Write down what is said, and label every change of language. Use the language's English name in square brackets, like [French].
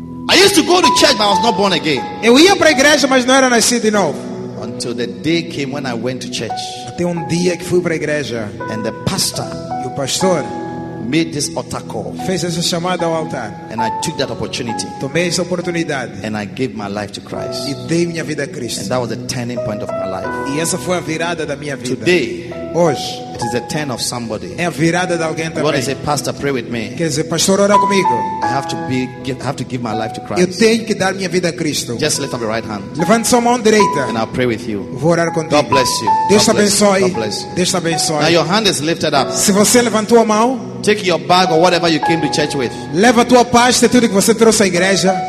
[English] I used to go to church, but I was not born again. [Portuguese] Eu ia para a igreja, mas não era nascido de novo. [English] Until the day came when I went to church. [Portuguese] Até dia que fui para a igreja. [English] And the pastor, [Portuguese] e o pastor, [English] made this altar call. [Portuguese] Fez essa chamada ao altar. [English] And I took that opportunity. [Portuguese] Tomei essa oportunidade. [English] And I gave my life to Christ. [Portuguese] E dei minha vida a Cristo. [English] And that was the turning point of my life. [Portuguese] E essa foi a virada da minha vida. [English] Today, [Portuguese] hoje, [English] it is the turn of somebody. [Portuguese] É a virada de alguém também. [English] God is a pastor, pray with me. [Portuguese] Quer dizer, pastor, ora comigo. [English] I have to give my life to Christ. [Portuguese] Eu tenho que dar minha vida a Cristo. [English] Just lift up your right hand. [Portuguese] Levante sua mão direita. [English] And I'll pray with you. [Portuguese] Vou orar contigo. [English] God bless you. [Portuguese] Deus te abençoe. [English] God bless you. [Portuguese] Deus te abençoe. [English] Now your hand is lifted up. [Portuguese] Se você levantou a mão, [English] take your bag or whatever you came to church with. [Portuguese] Leva tua pasta, tudo que você trouxe à igreja.